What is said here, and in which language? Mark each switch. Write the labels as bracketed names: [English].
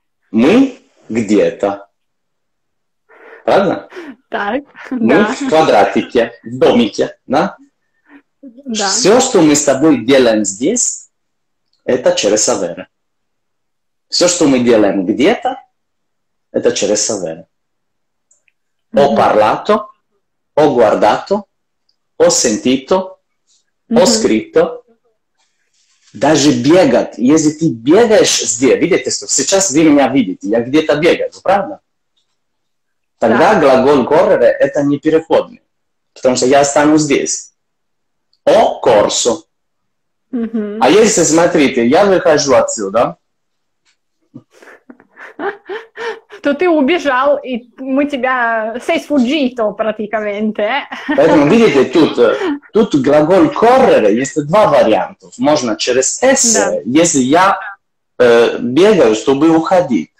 [Russian] Мы где-то. Правда? Так, мы да. в квадратике, в домике, да? Да. Все, что мы с тобой делаем здесь, это через Авера. Все, что мы делаем где-то, это через Авера. [Italian] Mm-hmm. Ho parlato, ho guardato, ho sentito, mm-hmm. ho scritto. [Russian] Даже бегать, если ты бегаешь здесь, видите, что сейчас вы меня видите, я где-то бегаю, правда? Тогда да. глагол correre – это не переходный, потому что я останусь здесь. [Italian] О corso. Mm-hmm. [Russian] А если, смотрите, я выхожу отсюда. То ты убежал, и мы тебя... [Italian] Sei sfuggito, [Russian] практически. Поэтому, видите, тут глагол correre есть два варианта. Можно через essere, да. если я бегаю, чтобы уходить.